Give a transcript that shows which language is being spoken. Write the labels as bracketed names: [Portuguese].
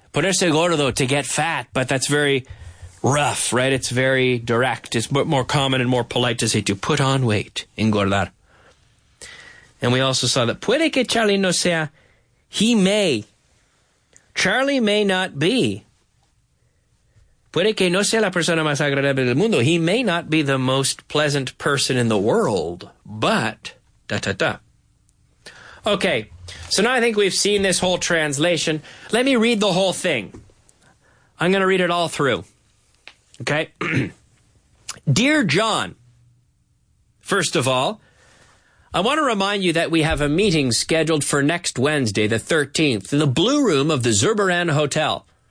[Spanish] Ponerse gordo, [English] to get fat, but that's very rough, right? It's very direct. It's more common and more polite to say to put on weight, engordar. And we also saw that [Spanish] puede que Charlie no sea, [English] he may Charlie may not be. [Spanish] Puede que no sea la persona más agradable del mundo. [English] He may not be the most pleasant person in the world, but... da, da, da. Okay, so now I think we've seen this whole translation. Let me read the whole thing. I'm going to read it all through. Okay? Dear John, first of all, I want to remind you that we have a meeting scheduled for next Wednesday, the 13th, in the Blue Room of the Zurbaran Hotel.